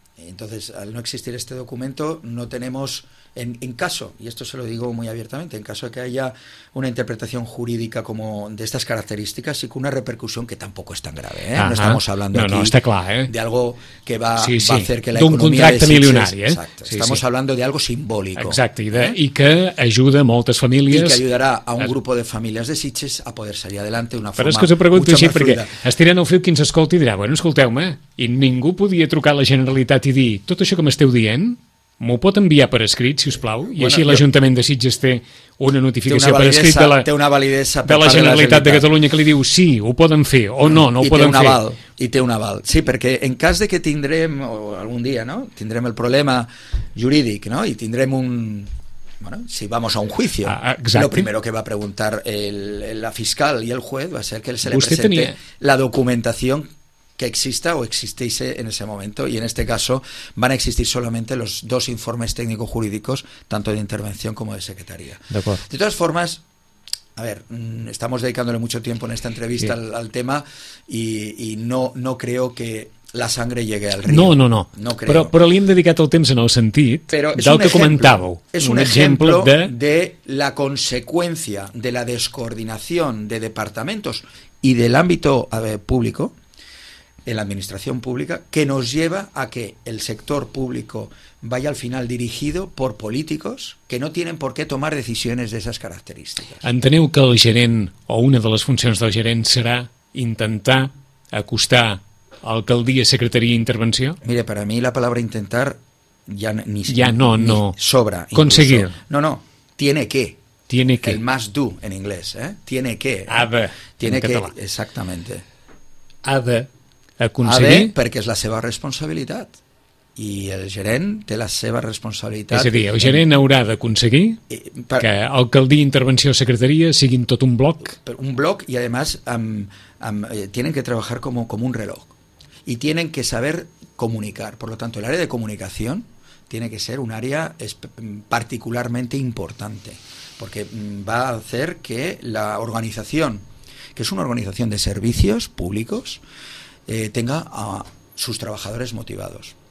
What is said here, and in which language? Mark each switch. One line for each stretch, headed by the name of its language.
Spanish: Entonces, al no existir este documento, no tenemos, en caso, y esto se lo digo muy abiertamente, en caso de que haya una interpretación jurídica como de estas características y con una repercusión que tampoco es tan grave. No estamos hablando de algo que va a hacer que la economía...
Catalan: D'un contracte milionari.
Spanish: Estamos hablando de algo simbólico.
Catalan: Exacte, i que ajuda moltes famílies... I que ajudarà a un grupo de famílies de Sitges a
Spanish: poder salir adelante
Catalan: d'una forma... Però és que us ho pregunto així, perquè estirant el fil qui ens escolti dirà, bueno, escolteu-me, i ningú podia trucar a la Generalitat i dir, tot això que m'esteu dient... M'ho pot enviar per escrit, si us plau, i així l'Ajuntament de Sitges té una notificació per escrit de la Generalitat de Catalunya que li diu sí, ho poden fer o no ho poden fer. I té un aval. Sí, perquè en cas de que tindrem o algun dia, no? Tindrem el problema jurídic, no? I tindrem un
Spanish: si vamos a un juicio, lo primero que va a preguntar la fiscal i el juez va a ser que se le presente la documentació que exista o existiese en ese momento, y en este caso van a existir solamente los dos informes técnico-jurídicos, tanto de intervención como de secretaría. De todas formas, a ver, estamos dedicándole mucho tiempo en esta entrevista al tema y no creo que la sangre llegue al río. No creo.
Catalan: Però li hem dedicat el temps en el sentit del que comentàveu. És un exemple de la conseqüència de la descoordinació de departaments i de l'àmbit públic
Spanish: en la administración pública, que nos lleva a que el sector público vaya al final dirigido por políticos que no tienen por qué tomar decisiones de esas características.
Catalan: Enteneu que el gerent o una de les funcions del gerent serà intentar acostar alcaldia, secretaria i intervenció?
Spanish: Mire, para mí la palabra intentar ya ni sobra. Conseguir. No, tiene que. Tiene que. El
English: must do
Spanish: en inglés, ¿eh? Tiene que.
Catalan: Ha de.
Spanish: Tiene que, exactamente.
Catalan: Ha de aconseguir. Ha de, perquè és la seva responsabilitat. I el gerent té la seva responsabilitat. És a dir, el gerent haurà d'aconseguir que el que el dia intervenció secretaria siguin tot un bloc. Un bloc i, a més,
Spanish: tienen que
Catalan: treballar com un reloj.
Spanish: Y tienen que saber comunicar. Por lo tanto, el área de comunicación tiene que ser un área particularmente importante, porque va a hacer que la organización, que es una organización de servicios públicos, tenga a sus trabajadores motivados.